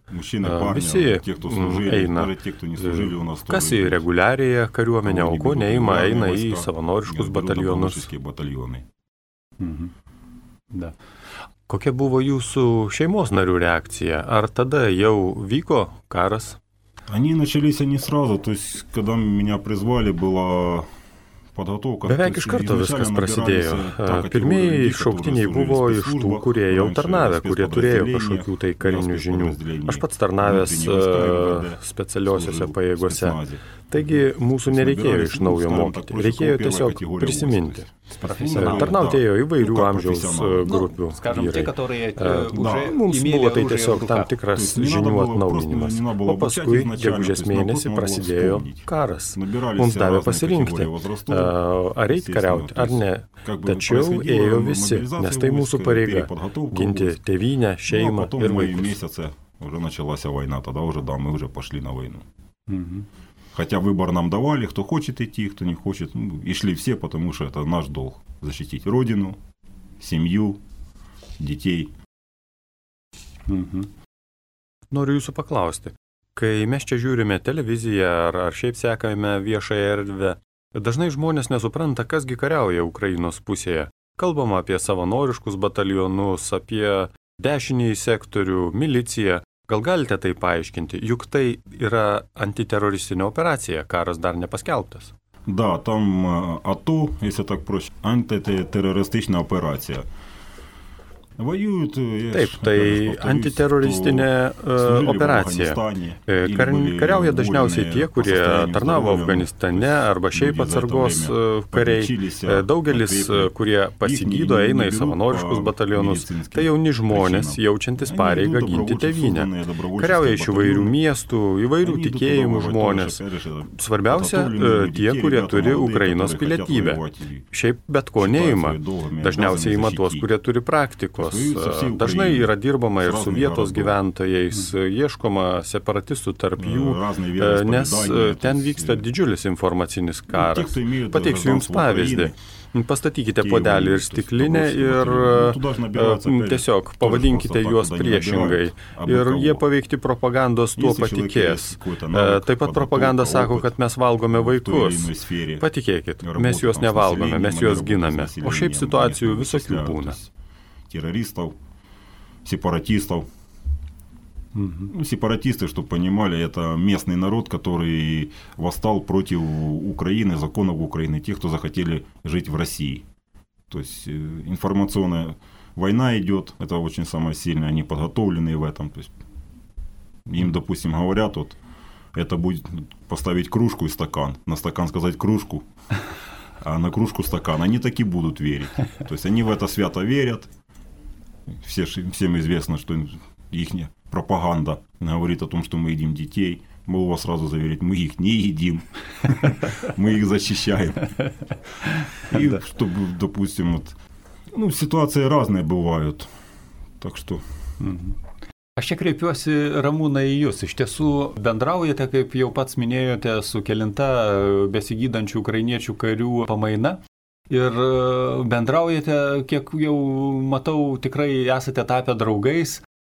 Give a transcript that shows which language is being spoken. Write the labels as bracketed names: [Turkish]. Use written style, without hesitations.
[Russian] Мужчина, парня, visi тех, кто служили, [Lithuanian] eina. [Russian] Тех, кто не служили, у нас [Lithuanian] kas į reguliariją kariuomenę, o ko neima, eina į savanoriškus batalionus. Da. Kokia buvo jūsų šeimos narių reakcija? Ar tada jau vyko karas? [Russian] Они начались не сразу, то есть, когда меня призвали, была подготовка. [Lithuanian] Beveik iš karto viskas prasidėjo. Pirmieji šauktiniai buvo iš tų, kurie jau tarnavę, kurie turėjo kažkokių tai karinių žinių. Aš pats tarnavęs specialiosiuose pajėgose. Taigi mūsų nereikėjo iš naujo mokyti, reikėjo tiesiog prisiminti. Tarnautėjo įvairių amžiaus grupių vyrai. Mums buvo tai tiesiog tam tikras žinių atnaujinimas. O paskui, gegužės mėnesį, prasidėjo karas. Mums davė pasirinkti, ar eiti kariauti, ar ne. Tačiau ėjo visi, nes tai mūsų pareiga – ginti tėvynę, šeimą ir vaikus. [Russian] Хотя выбор нам давали, кто хочет идти, кто не хочет. Ну, и шли все, потому что это наш долг – защитить родину, семью, детей. [Lithuanian] Угу. Noriu jūsų paklausti. Kai mes čia žiūrime televiziją ar šiaip sekame viešąją erdvę, dažnai žmonės nesupranta, kasgi kariauja Ukrainos pusėje. Kalbama apie savanoriškus batalionus, apie dešinį sektorių, miliciją. Gal galite tai paaiškinti, juk tai yra antiteroristinė operacija, karas dar nepaskelbtas? [Russian] Да, там АТО, если так проще, антитеррористичная операция. Воюют, [Lithuanian] Taip, tai antiteroristinė operacija. Kariauja dažniausiai tie, kurie tarnavo Afganistane arba šiaip atsargos kariai. Daugelis, kurie pasigydo, eina į savanoriškus batalionus, tai jauni žmonės, jaučiantis pareigą ginti tėvynę. Kariauja iš įvairių miestų, įvairių tikėjimų žmonės. Svarbiausia, tie, kurie turi Ukrainos pilietybę. Šiaip bet ko neima. Dažniausiai ima tuos, kurie turi praktiko. Dažnai yra dirbama ir su vietos gyventojais, ieškoma separatistų tarp jų, nes ten vyksta didžiulis informacinis karas. Pateiksiu jums pavyzdį. Pastatykite puodelį ir stiklinę ir tiesiog pavadinkite juos priešingai. Ir jie paveikti propagandos tuo patikės. Taip pat propaganda sako, kad mes valgome vaikus. Patikėkit, mes juos nevalgome, mes juos giname. O šiaip situacijų visokių būna. [Russian] Террористов, сепаратистов. Угу. Сепаратисты, чтобы понимали, это местный народ, который восстал против Украины, законов Украины, тех, кто захотели жить в России. То есть информационная война идет, это очень самое сильное, они подготовленные в этом. То есть, им, допустим, говорят, вот, это будет поставить кружку и стакан, на стакан сказать кружку, а на кружку стакан. Они таки будут верить. То есть они в это свято верят. Всем известно, что их пропаганда говорит о том, что мы едим детей. Могу вас сразу заверить, мы их не едим, мы их защищаем. И чтобы, допустим, ситуации разные бывают. Так что... [Lithuanian] Aš čia kreipiuosi, Ramūna, į Jūs. Iš tiesų, bendraujate, kaip jau pats minėjote, su kelinta besigydančių ukrainiečių karių pamaina. Ir bendraujate, kiek jau matau, tikrai esate tapę draugais.